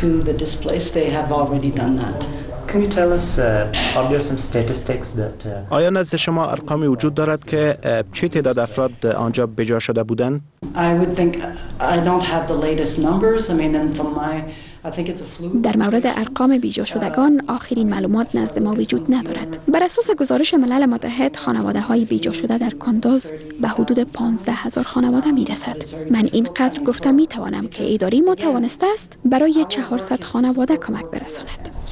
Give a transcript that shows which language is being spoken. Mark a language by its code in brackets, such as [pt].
[en] Can you tell us are there some statistics that [fa] آیا نزد شما ارقامی وجود دارد که چه تعداد افراد آنجا بجا شده بودند؟ [en] I would think I don't have the latest numbers. I mean, from my [fa] در مورد ارقام بیجا شدگان آخرین معلومات نزد ما وجود ندارد. بر اساس گزارش ملل متحد، خانواده های بیجا شده در کندوز به حدود 15,000 خانواده می رسد. من اینقدر گفتم می توانم که اداری ما توانسته است برای 400 خانواده کمک برساند.